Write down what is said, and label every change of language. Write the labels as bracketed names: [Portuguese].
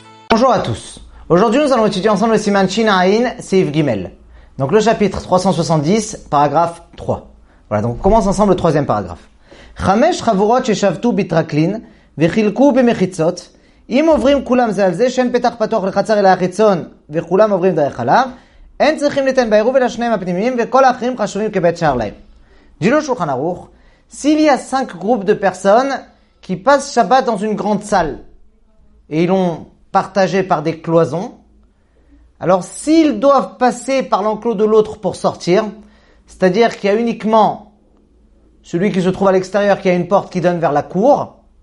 [French] Bonjour à tous. Aujourd'hui, nous allons étudier ensemble le [Hebrew] Siman Shin Ayin Seif Gimel. [French] Donc le chapitre 370, paragraphe 3. Voilà, donc on commence ensemble le troisième paragraphe. [Hebrew] Chamesh chavurot sheshavtu bitraklin vechilku bemechitzot. אם עוברים כולם זה על זה שאין פתח פתוח לחצר אלא החיצון וכולם עוברים דרך עליו, אין צריכים לתן בעירוב אלא שניהם הפנימיים וכל האחרים חשובים כבית שער להם. דינו שולחן ערוך, [French] s'il y a cinq groupes de personnes qui passent Shabbat dans une grande salle et ils l'ont partagé par des cloisons, alors s'ils doivent passer par l'enclos de l'autre pour sortir, c'est-à-dire qu'il y a uniquement celui qui se trouve à l'extérieur qui a une porte qui donne vers la cour,